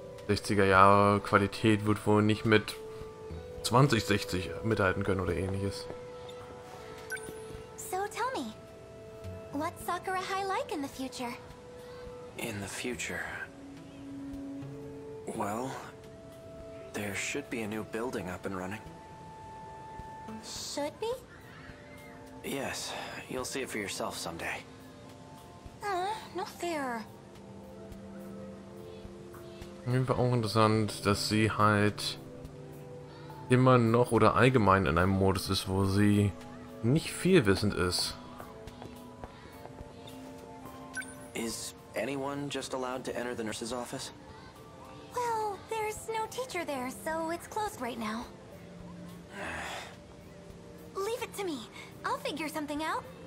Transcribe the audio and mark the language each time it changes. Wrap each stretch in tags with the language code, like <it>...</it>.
<de>60er Jahre Qualität wird wohl nicht mit 2060 mithalten können oder ähnliches.</de> <en>So tell me, what's Sakura High like in the future? In the future? Well, there should be a new building up and running. Should be? Yes, you'll see it for yourself someday. No fair.</en> <de>Irgendwie auch interessant, dass sie halt immer noch oder allgemein in einem Modus ist, wo sie nicht viel wissend ist.</de> <en>Is anyone just allowed to enter the nurse's office? Well, there's no teacher there, so it's closed right now. Leave it to me. I'll figure something out.</en>